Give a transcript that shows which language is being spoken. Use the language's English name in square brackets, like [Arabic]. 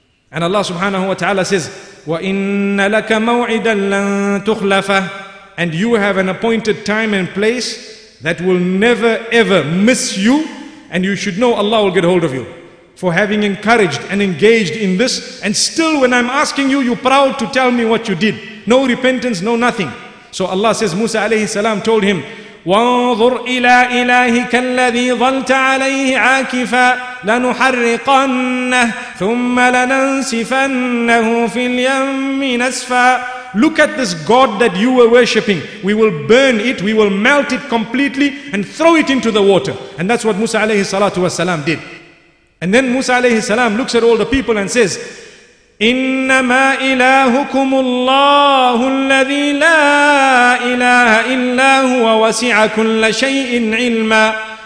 [English] And Allah subhanahu wa ta'ala says, [Arabic] وَإِنَّ لَكَ مَوْعِدًا لَن تُخْلَفَهُ. [English] And you have an appointed time and place that will never ever miss you, and you should know Allah will get hold of you for having encouraged and engaged in this. And still when I'm asking you, you're proud to tell me what you did. No repentance, no nothing. So Allah says, Musa alayhi salam told him, [Arabic] وَانْظُرْ إِلَىٰ إِلَٰهِكَ الَّذِي ظَلْتَ عَلَيْهِ عَاكِفًا لَنُحَرِّقَنَّهِ ثُمَّ لَنَنْسِفَنَّهُ فِي الْيَمِّ نَسْفًا. [English] Look at this god that you were worshipping. We will burn it, we will melt it completely and throw it into the water. And that's what Musa alayhi salatu wasalam did. And then Musa alayhi salam looks at all the people and says, [Arabic] إِنَّمَا إِلَهُكُمُ اللَّهُ الَّذِي لَا إِلَهَ إِلَّا هُوَ وَسِعَ كُلَّ شَيْءٍ عِلْمًا.